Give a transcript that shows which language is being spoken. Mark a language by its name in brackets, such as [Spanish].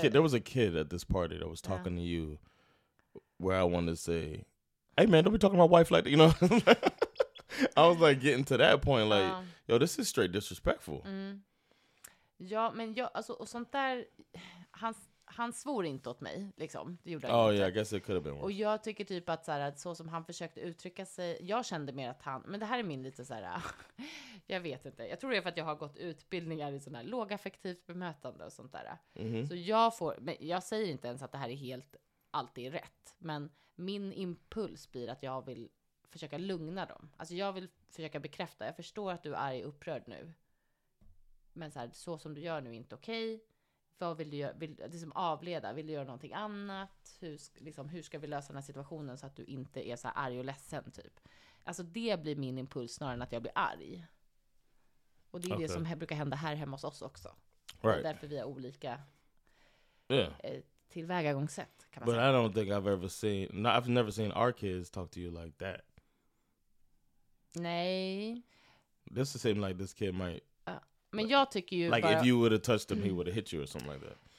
[English] this kid, there was a kid at this party that was talking to you where I wanted to say, hey man, don't be talking to my wife like that, you know? I was like getting to that point, like, yo, this is straight disrespectful. Mm. [Swedish] Ja, men jag, alltså, och sånt där, han svor inte åt mig, liksom. Det gjorde han inte. [English] Yeah, I guess it could have been worse. [Swedish] Och jag tycker typ att så som han försökte uttrycka sig, jag kände mer att han, men det här är min lite såhär, jag vet inte. Jag tror det är för att jag har gått utbildningar i sådana här lågaffektivt bemötande och sånt där. Mm-hmm. Så jag får, men jag säger inte ens att det här är helt, alltid rätt. Men min impuls blir att jag vill försöka lugna dem. Alltså jag vill försöka bekräfta, jag förstår att du är upprörd nu. Men så som du gör nu är inte okej. Okay. Vad vill du göra? Liksom avleda? Vill du göra någonting annat? Hur ska vi lösa den här situationen så att du inte är så arg och ledsen typ? Alltså det blir min impuls snarare än att jag blir arg. Och det är det som brukar hända här hemma hos oss också. [English] Right. [Swedish] Därför vi har olika tillvägagångssätt kan man säga. [English] But I don't think I've never seen our kids talk to you like that. [Swedish] Nej. [English] This is seem like this kid might... [Swedish] Men jag tycker ju [English] like [Swedish] bara, [English] if you would have touched him, he would have hit you or something like that.